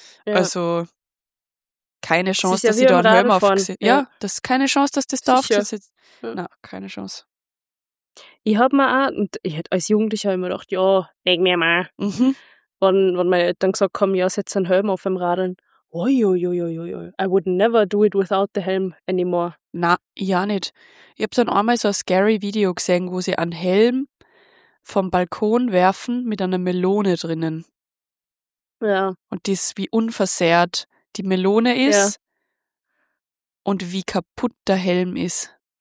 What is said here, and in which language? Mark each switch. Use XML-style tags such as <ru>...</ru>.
<de>Also keine Chance, dass ich da einen Helm aufsetze. Ja, das ist keine Chance, dass das da aufsetzt. Ja. Nein, keine Chance. Ich habe mir auch, und ich hätte als Jugendlicher immer gedacht, ja, leg mir mal. Mhm. Wenn meine Eltern gesagt haben, ja, setz einen Helm auf beim Radeln. Oi.</de> <en>I would never do it without the helm anymore.</en> <de>Nein, ja nicht. Ich habe dann einmal so ein scary Video gesehen, wo sie einen Helm vom Balkon werfen mit einer Melone drinnen. Ja. Und das, wie unversehrt die Melone ist und wie kaputt der Helm ist.</de>